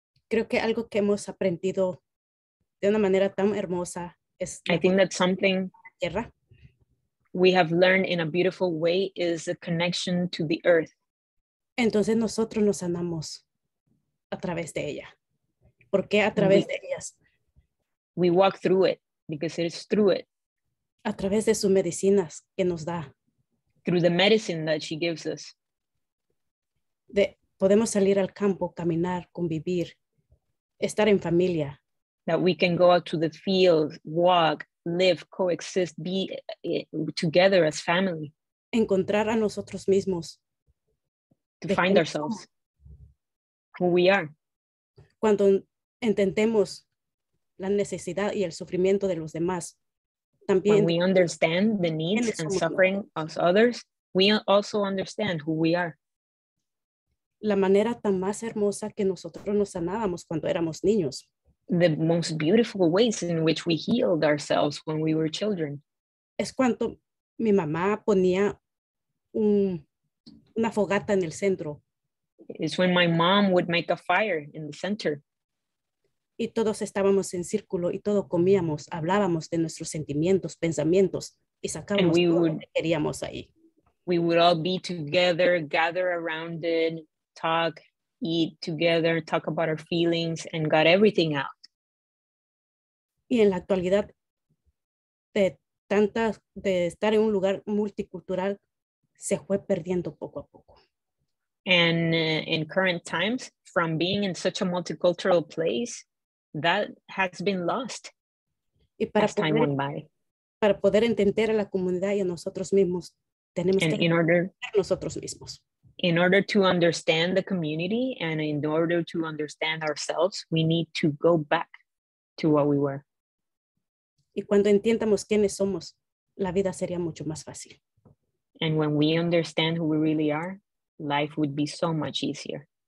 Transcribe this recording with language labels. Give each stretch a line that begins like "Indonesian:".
Spanish: Creo que algo que hemos aprendido de una manera tan hermosa es.
English: I think that something.
Spanish: Tierra.
English: We have learned in a beautiful way is a connection to the earth.
Spanish: Entonces nosotros nos sanamos a través de ella. ¿Por qué a través de ellas?
English: We walk through it because it is through it.
Spanish: A través de sus medicinas que nos da.
English: Through the medicine that she gives us.
Spanish: De, podemos salir al campo, caminar, convivir, estar en familia.
English: That we can go out to the field, walk, live, coexist, be together as family.
Spanish: Encontrar a nosotros mismos.
English: To find ourselves. Who we are.
Spanish: Cuando entendemos la necesidad y el sufrimiento de los demás. También
English: when we understand the needs and suffering of others, we also understand who we are.
Spanish: La manera tan más hermosa que nosotros nos sanábamos cuando éramos niños.
English: The most beautiful ways in which we healed ourselves when we were children.
Spanish: Es cuando mi mamá ponía una fogata en el centro.
English: It's when my mom would make a fire in the center.
Spanish: Y todos estábamos en círculo y todos comíamos, hablábamos de nuestros sentimientos, pensamientos y sacábamos todo lo que queríamos ahí.
English: We would all be together, gather around it, talk, eat together, talk about our feelings and got everything out.
Spanish: Y en la actualidad de estar en un lugar multicultural se fue perdiendo poco a poco.
English: And in current times, from being in such a multicultural place, that has been lost
Spanish: y para
English: as time
Spanish: poder,
English: went by.
Spanish: Para poder entender a la comunidad y a nosotros mismos, tenemos
English: and
Spanish: que
English: in order,
Spanish: entender nosotros mismos.
English: In order to understand the community and in order to understand ourselves, we need to go back to what we were.
Spanish: Y cuando entiendamos quiénes somos, la vida sería mucho más fácil.
English: And when we understand who we really are, life would be so much easier.